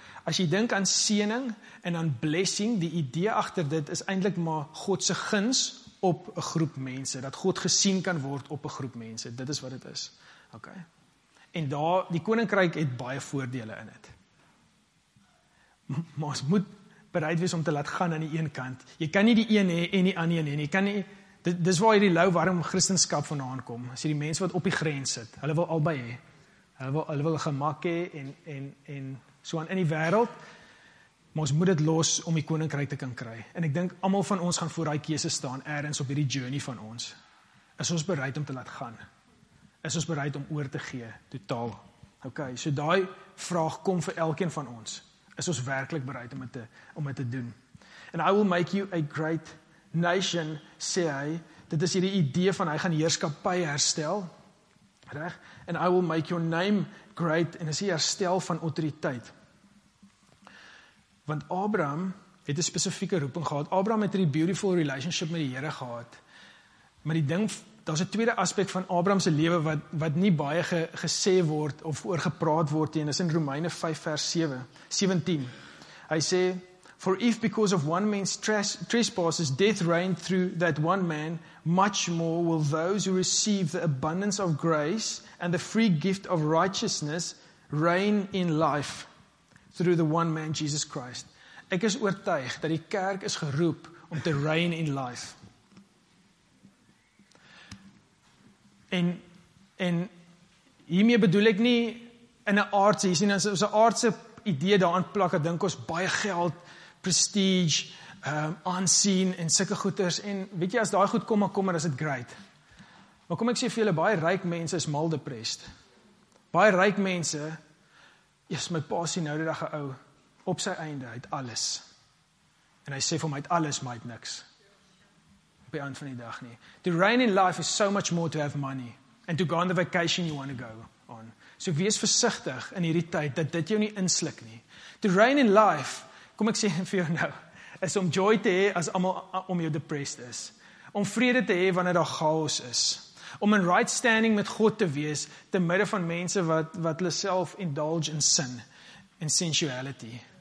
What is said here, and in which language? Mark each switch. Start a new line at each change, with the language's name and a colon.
Afrikaans: As jy dink aan seëning en aan blessing, die idee agter dit is eintlik maar God se guns op 'n groep mense, dat God gesien kan word op 'n groep mense. Dit is wat dit is. OK. En daar, die koninkryk het baie voordele in dit. Maar ons moet bereid wees om te laat gaan aan die een kant. Jy kan nie die een hê en die ander een hê. Jy kan nie, dis waar hierdie lou warm Christenskap vanaan kom. As jy die mense wat op die grens sit, hulle wil albei hê. Hulle wil gemak hê en so aan in die wêreld. Maar ons moet dit los om die koninkryk te kan kry. En ek dink almal van ons gaan voor daai keuse staan ergens op hierdie journey van ons. Is ons bereid om te laat gaan? Is ons bereid om oor te gee totaal? OK, so daai vraag kom vir elkeen van ons. Is ons werklik bereid om het te doen.
English: And I will make you a great nation, sê hy.
Afrikaans: Dit is hierdie idee van hy gaan heerskappy herstel. Reg?
English: And I will make your name great. En is die herstel van autoriteit.
Afrikaans: Want Abraham het 'n spesifieke roeping gehad. Abraham het 'n beautiful relationship met die Here gehad. Maar die ding, daar's 'n tweede aspek van Abraham se lewe wat nie baie gesê word of oor gepraat word nie. Dis in Romeine 5 vers 17.
English: Hy sê, for if because of one man's trespasses death reigned through that one man, much more will those who receive the abundance of grace and the free gift of righteousness reign in life through the one man Jesus Christ.
Afrikaans: Ek is oortuig dat die kerk is geroep om te reign in life. En hiermee bedoel ek nie in 'n aardse, jy sien, as ons 'n aardse idee daaraan plak, ek dink ons baie geld, prestige, aansien en sulke goeders, en weet jy, as daai goed kom, dan kom, is dit great. Maar kom ek sê vir julle, baie ryk mense is mal depressed. Baie ryk mense, jy's my pa sien nou die dag 'n ou, op sy einde, hy het alles. En hy sê vir hom, hy het alles, maar hy het niks. Op die eind van die dag nie.
English: To reign in life is so much more to have money and to go on the vacation you want to go on.
Afrikaans: So wees versigtig in hierdie tyd dat dit jou nie insluk nie. To reign in life, kom ek sê vir jou nou, is om joy te hê as almal om jou depressed is. Om vrede te hê wanneer daar chaos is. Om in right standing met God te wees te midde van mense wat hulle self indulge in sin en sensuality.